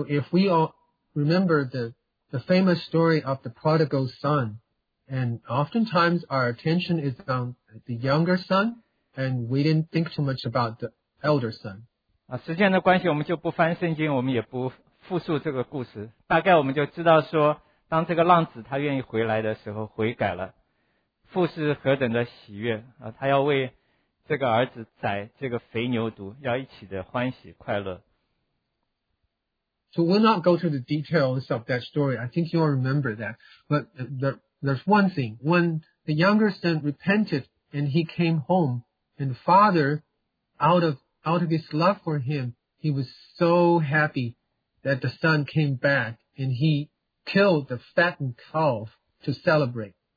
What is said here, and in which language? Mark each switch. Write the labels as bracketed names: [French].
[English] if we all remember the famous story of the prodigal son, and oftentimes our attention is on the younger son, and we didn't think too much about the elder son. [Chinese] 时间的关系，我们就不翻圣经，我们也不复述这个故事。大概我们就知道说，当这个浪子他愿意回来的时候，悔改了，父是何等的喜悦啊！他要为这个儿子宰这个肥牛犊，要一起的欢喜快乐。 [English] So we'll not go through the details of that story. I think you'll remember that, but there's one thing. When the younger son repented and he came home, and father, out of his love for him, he was so happy that the son came back and he killed the fattened calf to celebrate.